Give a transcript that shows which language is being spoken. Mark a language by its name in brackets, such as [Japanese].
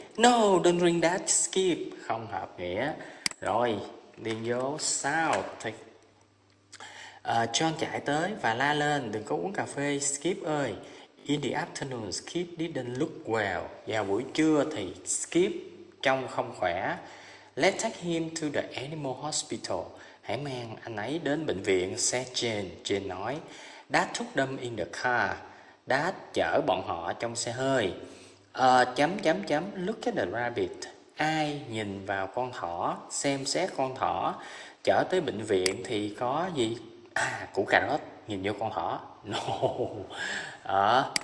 [English] No, don't ring that, Skip. [Vietnamese] Không hợp nghĩa. Rồi, điền vô sao thì John chạy tới và la lên, đừng có uống cà phê, Skip ơi. [English] In the afternoon, Skip didn't look well. [Vietnamese] Vào buổi trưa thì Skip trông không khỏe. [English] Let's take him to the animal hospital. [Vietnamese] Hãy mang anh ấy đến bệnh viện, [English] said Jane. [Vietnamese] Jane nói, [English] Dad took them in the car. [Vietnamese] Dad chở bọn họ trong xe hơi. Chấm chấm chấm, [English] look at the rabbit. [Vietnamese] Ai nhìn vào con thỏ, xem xét con thỏ. Chở tới bệnh viện thì có gì? À, củ cà rốt. Nhìn vô con thỏ. No.